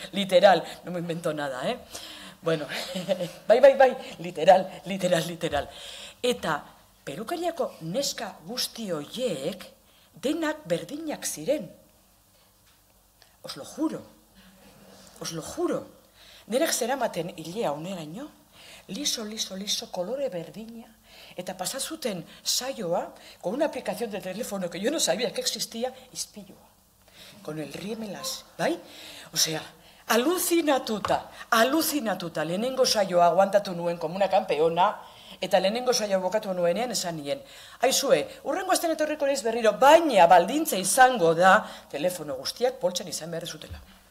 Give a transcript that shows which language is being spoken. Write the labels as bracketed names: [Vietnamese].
[Spanish] Literal, no me invento nada, ¿eh? [Basque] Bueno, bai, bai, bai, literal, literal, literal. Eta pelukeriako neska guzti hoiek denak berdinak ziren. [Spanish] Os lo juro, os lo juro. [Basque] Denak zeramaten hilea uneraino, liso, liso, liso, kolore berdina, eta pasazuten saioa, [Spanish] con una aplicación de teléfono que yo no sabía que existía, [Basque] izpilloa, [Spanish] con el riemelas, [Basque] bai? O sea, alucinatuta, alucinatuta, lehenengo saioa aguantatu nuen [Spanish] como una campeona, [Basque] eta lehenengo saioa bokatu nuenean esan nien, aizue, urrengo azten etorriko leiz berriro, baina baldintza izango da, telefono guztiak poltsan izan behar zutela.